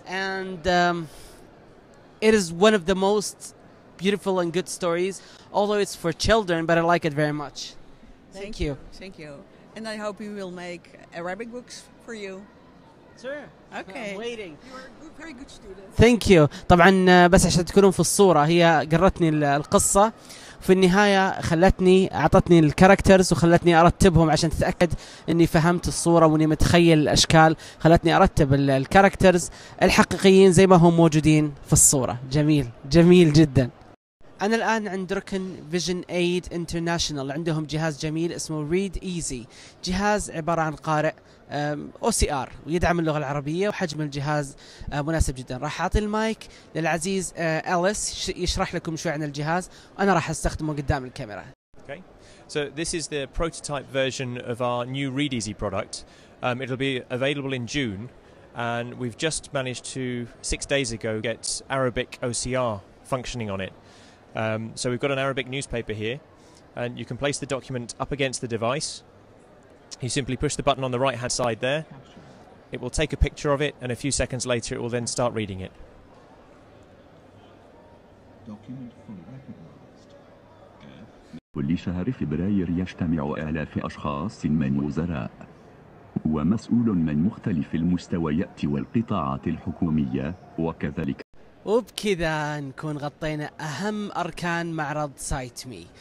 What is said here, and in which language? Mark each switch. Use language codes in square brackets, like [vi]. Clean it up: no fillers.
[en] And it is one of the most beautiful and good stories. Although it's for children, but I like it very much. Thank you. Thank you. And I hope you will make Arabic books for you. Sure. Okay. I'm waiting. You are a very good student. Thank you. [ar] طبعا بس عشان تكونون في الصورة هي قرتني القصة في النهاية خلتني أعطتني الكاركترز وخلتني أرتبهم عشان تتأكد أني فهمت الصورة وأني متخيل الأشكال خلتني أرتب الكاركترز الحقيقيين زي ما هم موجودين في الصورة. جميل جميل جدا. أنا الآن عند ركن Vision Aid International عندهم جهاز جميل اسمه Read Easy. جهاز عبارة عن قارئ OCR ويدعم اللغة العربية وحجم الجهاز مناسب جدا. راح أعطي المايك للعزيز Alice يشرح لكم شوي عن الجهاز وأنا راح أستخدمه قدام الكاميرا. [en] Okay, so this is the prototype version of our new Read Easy product. It'll be available in June and we've just managed to 6 days ago get Arabic OCR functioning on it. So we've got an Arabic newspaper here, and you can place the document up against the device. You simply push the button on the right hand side there. It will take a picture of it, and a few seconds later it will then start reading it. Document fully recognized. [ar] كل شهر فبراير يجتمع آلاف أشخاص من وزراء ومسؤول من مختلف المستويات والقطاعات الحكومية وكذلك. وبكذا نكون غطينا أهم أركان معرض سايت مي.